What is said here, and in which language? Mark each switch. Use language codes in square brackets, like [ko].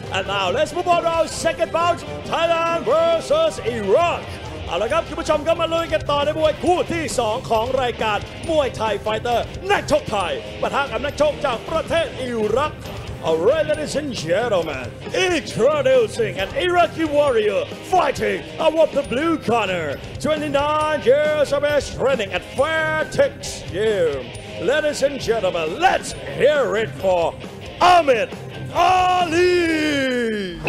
[en] And now let's move on to our second bout, Thailand versus Iraq. [th] เอาละครับคุณผู้ชมก็มาลุยกันต่อในมวยคู่ที่2ของรายการมวยไทยไฟเตอร์นักชกไทยปะทะกับนักชกจากประเทศอิรัก [en] Alright, ladies and gentlemen, introducing an Iraqi warrior fighting out of the blue corner, 29 years of age, training at Fairtex Gym. Ladies and gentlemen, let's hear it for Ahmed Ali!